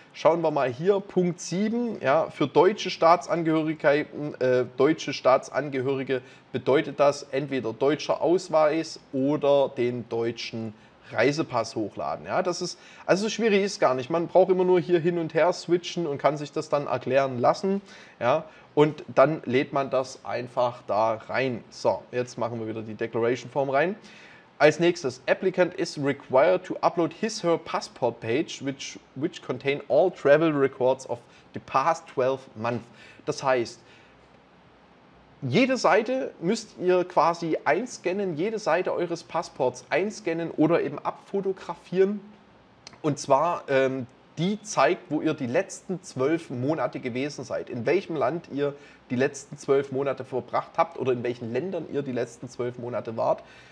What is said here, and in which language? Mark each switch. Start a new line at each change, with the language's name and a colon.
German: Schauen wir mal hier, Punkt 7, ja, für deutsche Staatsangehörige bedeutet das entweder deutscher Ausweis oder den deutschen Reisepass hochladen. Ja, das ist, also schwierig ist gar nicht. Man braucht immer nur hier hin und her switchen und kann sich das dann erklären lassen. Ja, und dann lädt man das einfach da rein. So, jetzt machen wir wieder die Declaration Form rein. Als nächstes,
English: applicant is required to upload his her passport page, which contain all travel records of the past 12 months.
German: Das heißt, jede Seite müsst ihr quasi einscannen, jede Seite eures Passports einscannen oder eben abfotografieren. Und zwar, die zeigt, wo ihr die letzten 12 Monate gewesen seid, in welchem Land ihr die letzten 12 Monate verbracht habt oder in welchen Ländern ihr die letzten 12 Monate wart.